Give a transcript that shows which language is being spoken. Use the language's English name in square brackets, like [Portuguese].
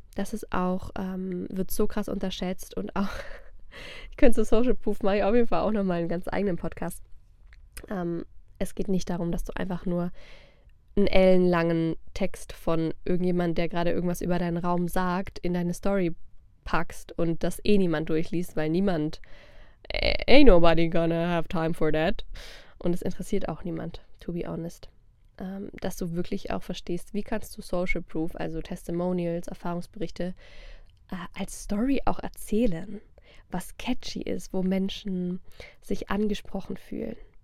[German] Das ist auch, wird so krass unterschätzt und auch, ich könnte so Social Proof mache ich auf jeden Fall auch nochmal einen ganz eigenen Podcast. Es geht nicht darum, dass du einfach nur einen ellenlangen Text von irgendjemandem, der gerade irgendwas über deinen Raum sagt, in deine Story packst und das eh niemand durchliest, weil niemand [English] ain't nobody gonna have time for that. [German] Und es interessiert auch niemand, [English] to be honest. [German] Dass du wirklich auch verstehst, wie kannst du Social Proof, also Testimonials, Erfahrungsberichte, als Story auch erzählen, was catchy ist, wo Menschen sich angesprochen fühlen.